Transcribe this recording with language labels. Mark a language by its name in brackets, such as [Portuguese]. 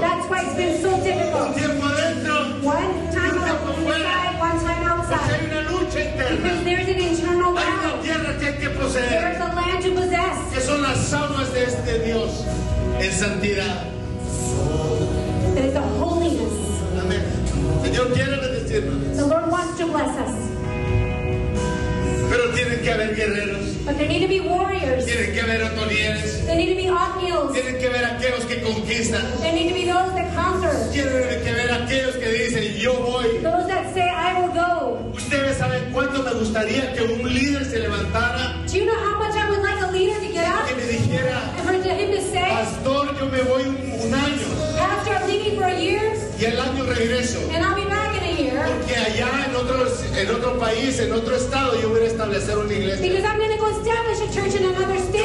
[English] That's why it's been so difficult. [Spanish] Un tiempo adentro, [English] one time [Spanish] un tiempo fuera. [English] Because there's an internal battle. There's a land to possess. [Spanish] Que son las almas de este Dios en santidad. [English] That is a holiness. Amen. [Spanish] Señor quiere bendecirnos. [English] The Lord wants to bless us. [Spanish] Pero tienen que haber guerreros. [English] But there need to be warriors. [Spanish] Tienen que haber otonieles. [English] There need to be Othniels. [Spanish] Tienen que haber aquellos que conquistan. [English] There need to be those that conquer. [Spanish] Tienen que haber aquellos que dicen yo voy. [English] Those that say I will go. [Spanish] ¿Ustedes saben cuánto me gustaría que un líder se levantara? [English] Do you know how much I would like a leader to get up? [Spanish] Que me dijera. [English] And for him to say. [Spanish] Pastor, yo me voy un año. [English] After I'm leaving for a year. [Spanish] Y el año regreso. [English] And I'll be back. [Spanish] Porque allá en otro país, en otro estado, yo voy a establecer una iglesia. [English] Because I'm going to go establish a church in another state.